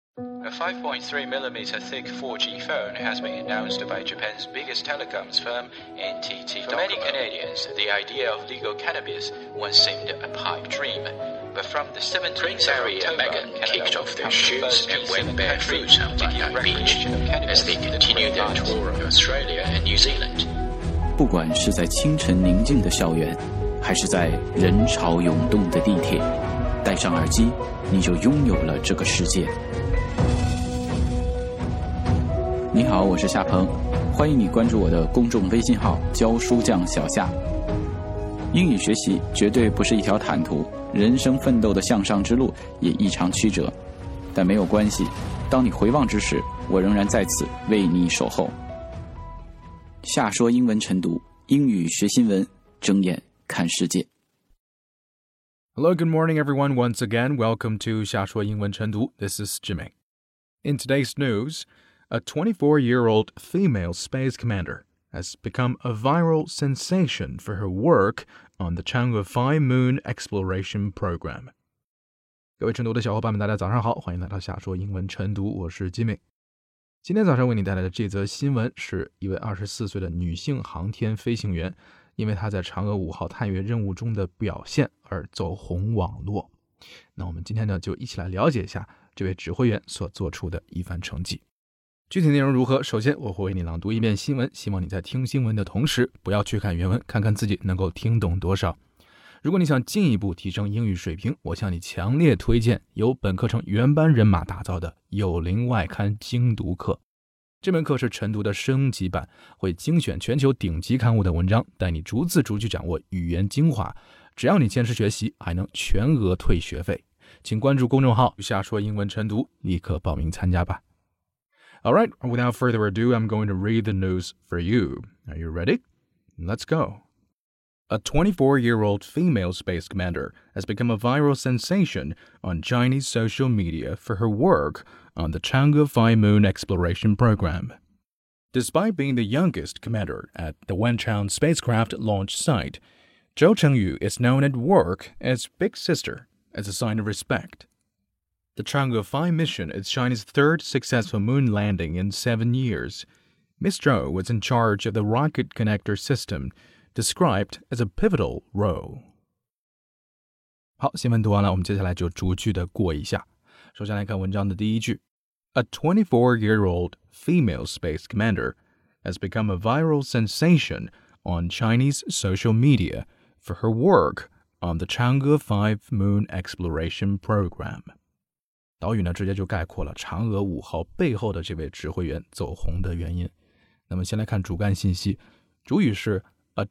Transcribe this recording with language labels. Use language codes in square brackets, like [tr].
[en] A 5.3mm thick 4G phone has been announced by Japan's biggest telecoms firm, NTT Docomo. For many Canadians, the idea of legal cannabis once seemed a pipe dream. But from the 17th of October, Canada kicked off their shoes and went barefoot on Bondi Beach as they continued their tour of Australia and New Zealand. [zh] 不管是在清晨宁静的校园，还是在人潮涌动的地铁，戴上耳机，你就拥有了这个世界。你好，我是夏鹏，欢迎你关注我的公众微信号“教书匠小夏”。英语学习绝对不是一条坦途，人生奋斗的向上之路也异常曲折，但没有关系，当你回望之时，我仍然在此为你守候。夏说英文晨读，英语学新闻，睁眼看世界。 [en] Hello, good morning, everyone. Once again, welcome to 夏说英文晨读。 This is Jimmy. In today's news, a 24-year-old female space commander has become a viral sensation for her work on the Chang'e 5 Moon Exploration Program. [zh] 各位晨读的小伙伴们，大家早上好，欢迎来到夏说英文晨读，我是 Jimmy。今天早上为你带来的这则新闻是一位24岁的女性航天飞行员因为她在嫦娥5号探月任务中的表现而走红网络。那我们今天呢就一起来了解一下这位指挥员所做出的一番成绩。具体内容如何，首先我会为你朗读一遍新闻，希望你在听新闻的同时不要去看原文，看看自己能够听懂多少。如果你想进一步提升英语水平，我向你强烈推荐由本课程原班人马打造的《有灵外刊精读课》。这门课是晨读的升级版，会精选全球顶级刊物的文章，带你逐字逐句掌握语言精华。只要你坚持学习，还能全额退学费。请关注公众号“下说英文晨读”，立刻报名参加吧。 [en] All right, without further ado, I'm going to read the news for you. Are you ready? Let's go. A 24-year-old female space commander has become a viral sensation on Chinese social media for her work on the Chang'e 5 Moon Exploration Program. Despite being the youngest commander at the Wenchang spacecraft launch site, Zhou Chengyu is known at work as Big Sister as a sign of respect. The Chang'e 5 mission is China's third successful moon landing in 7 years. Ms. Zhou was in charge of the rocket connector system,described as a pivotal role. [zh] 好，新闻读完了，我们接下来就逐句的过一下。首先来看文章的第一句。 [en] A 24-year-old female space commander has become a viral sensation on Chinese social media for her work on the Chang'e 5 Moon Exploration Program. [zh] 导语呢，直接就概括了嫦娥5号背后的这位指挥员走红的原因。那么先来看主干信息，主语是A